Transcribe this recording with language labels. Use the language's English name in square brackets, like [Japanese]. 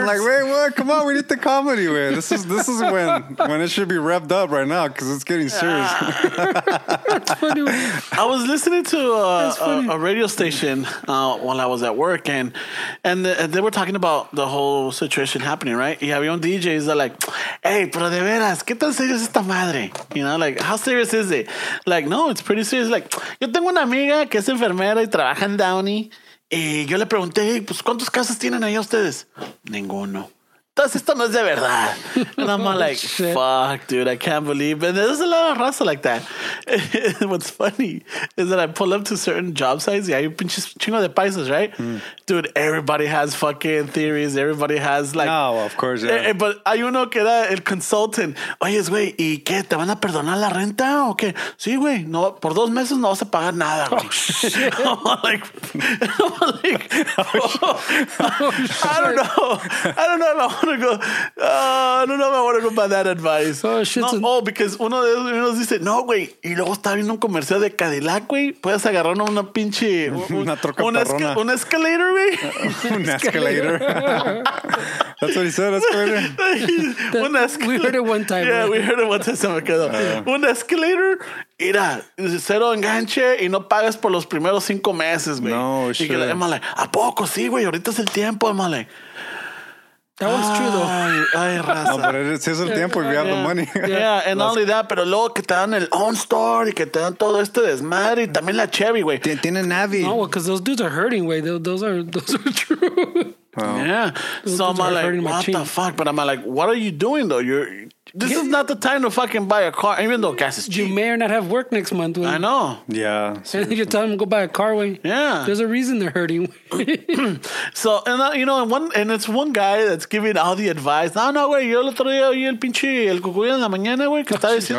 [English] And I'm like, wait, what? Come on, we need the comedy. Wait, this is when it should be revved up right now because it's getting serious. That's funny. I was listening to a radio station while I was at work, and they were talking about the whole situation happening. Right? Yeah, we own DJs. They're like, hey. [Spanish] Pero de veras, ¿qué tan serio es esta madre? [English] You know, like, how serious is it? Like, no, it's pretty serious. Like, [Spanish] yo tengo una amiga que es enfermera y trabaja en Downey. Y yo le pregunté, pues, ¿cuántos casos tienen allá ustedes? Ninguno. Entonces, esto no es de verdad. [English] And I'm all like, shit. Fuck, dude, I can't believe it. And there's a lot of raza like that. What's funny is that I pull up to certain job sites. Yeah, you [Spanish] pinches chingo de paisas, [English] right? Dude, everybody has fucking theories. Everybody has like... No, of course, yeah. [Spanish] But hay uno que era el consultant. Oye, güey, ¿y qué? ¿Te van a perdonar la renta o qué? Sí, güey. No, por 2 meses no vas a pagar nada, güey. [English] I'm like, oh, I don't know. I don't know if I want to go by that advice. Oh, shit. [Spanish] Because uno de ellos dice, no, güey. Y luego está viendo un comercial de Cadillac, güey. Puedes agarrar una pinche... una troca perrona. Un escalator, güey. Un escalator. [English] That's what he said, escalator. [Spanish] Un escalator. [English] We heard it one time. Yeah, right? We heard it one time. [Spanish] Se me quedó. Un escalator. Mira, cero enganche y no pagas por los primeros 5 meses, güey. [English] No, shit. [Spanish] Y que le male, ¿a poco? Sí, güey. Ahorita es el tiempo, male. [English] That was true, though. [Spanish] Ay, raza. No, pero es el tiempo y [English] we have the money. Yeah, and not only that, [Spanish] pero luego que te dan el OnStar y que te dan todo este desmadre y también la Chevy, güey. Tienen Navi. [English] No, because those dudes are hurting, güey. Those are true. Wow. Yeah. So I'm like, what the fuck? But I'm like, what are you doing, though? You're... This is not the time to fucking buy a car, even though gas is cheap. You may or not have work next month. I know. Yeah. Seriously. And you tell them to go buy a car when there's a reason they're hurting. So, and you know, and it's one guy that's giving all the advice. [Spanish] No, güey, yo el otro día oí el pinche el cucuy en la mañana, güey, que estaba diciendo.